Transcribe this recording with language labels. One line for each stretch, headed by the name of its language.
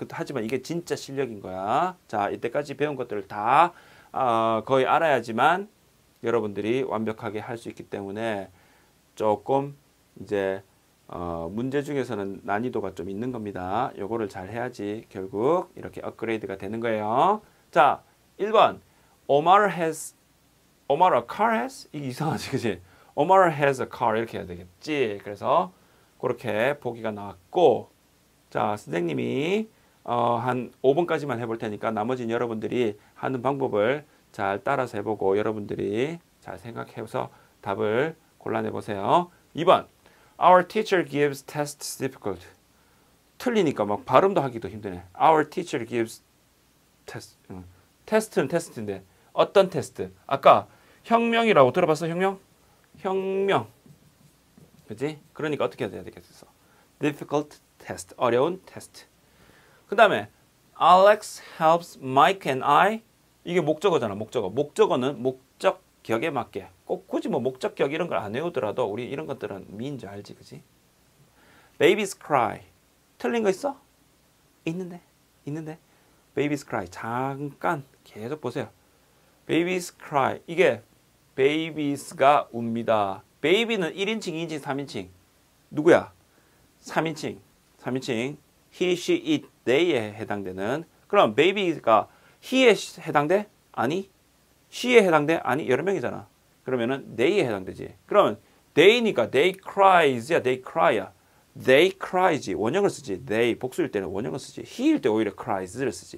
Korean: 하지만 이게 진짜 실력인 거야. 자 이때까지 배운 것들을 다 거의 알아야지만 여러분들이 완벽하게 할 수 있기 때문에 조금 이제 문제 중에서는 난이도가 좀 있는 겁니다. 요거를 잘 해야지 결국 이렇게 업그레이드가 되는 거예요. 자 1번
English: Omar has, Omar a car has?
Korean: 이게 이상하지, 그치?
English: Omar has a car
Korean: 이렇게 해야 되겠지. 그래서 그렇게 보기가 나왔고, 자, 선생님이 한 5번까지만 해볼 테니까 나머지는 여러분들이 하는 방법을 잘 따라서 해보고 여러분들이 잘 생각해서 답을 골라내보세요.
English: 2번, Our teacher gives tests difficult.
Korean: 틀리니까 막 발음도 하기도 힘드네.
English: Our teacher gives test.
Korean: 테스트는 테스트인데 어떤 테스트? 아까 혁명이라고 들어봤어? 혁명? 혁명. 그치? 그러니까 어떻게 해야 되겠어?
English: Difficult test.
Korean: 어려운 테스트. 그 다음에
English: Alex helps Mike and I.
Korean: 이게 목적어잖아. 목적어. 목적어는 목적격에 맞게. 꼭 굳이 뭐 목적격 이런 걸 안 외우더라도 우리 이런 것들은 미인지 알지. 그치?
English: Babies cry.
Korean: 틀린 거 있어? 있는데? 있는데? Babies cry. 잠깐 계속 보세요.
English: Babies cry.
Korean: 이게 babies가 웁니다. baby는 1인칭, 2인칭, 3인칭. 누구야? 3인칭. 3인칭. he, she, it, they에 해당되는. 그럼 baby가 he에 해당돼? 아니. she에 해당돼? 아니. 여러 명이잖아. 그러면은 they에 해당되지. 그러면 they니까 they cries야.
English: they cry야. They cries.
Korean: 원형을 쓰지.
English: They.
Korean: 복수일 때는 원형을 쓰지. He일 때 오히려 cries를 쓰지.